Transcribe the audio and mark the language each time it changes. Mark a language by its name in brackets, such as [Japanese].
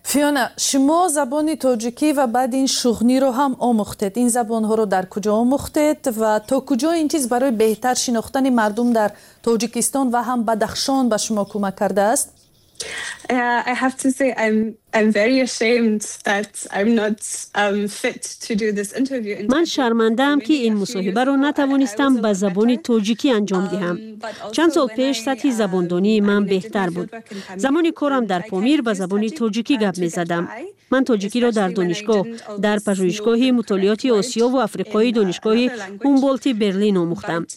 [Tajik] Фиона, шумо забони тоҷикӣ ва баъд ин шӯхниро ҳам омӯхтед. Ин забонҳоро дар куҷо омӯхтед ва то куҷо ин чиз барои беҳтар шинохтани мардум дар Тоҷикистон ва ҳам Бадахшон ба шумо кӯмак кардааст? [English] I have to say I'm very ashamed that I'm not fit to do this interview. [Tajik] Ман шарманда‌ам ки ин мусоҳибаро натавонистам ба забони тоҷикӣ анҷом диҳам. Чанд сол пеш сатҳи забондонии ман беҳтар буд. Замони корам дар Помир ба забони тоҷикӣ гап мезадам. ман тоҷикиро дар донишгоҳ, дар пажӯҳишгоҳи мутолиоти Осиё ва Африқои донишгоҳи Умболти Берлин омӯхтам.